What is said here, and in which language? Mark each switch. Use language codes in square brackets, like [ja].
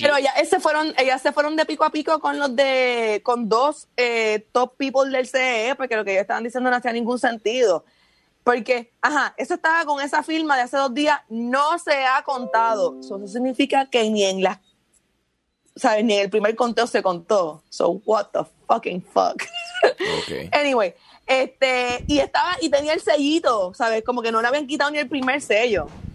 [es] Pero ellas se fueron de pico a pico con dos [en] top people [es] del CEE, porque lo que ellas estaban diciendo no hacía ningún sentido. Porque, ajá, eso estaba con esa firma de hace dos días, no se ha contado. Eso significa que ni en las... ¿Sabes? Ni el primer conteo se contó. [en] So, what the fucking fuck. Okay. [es] Anyway, y tenía el sellito, ¿sabes? Como que no le habían quitado ni el primer sello.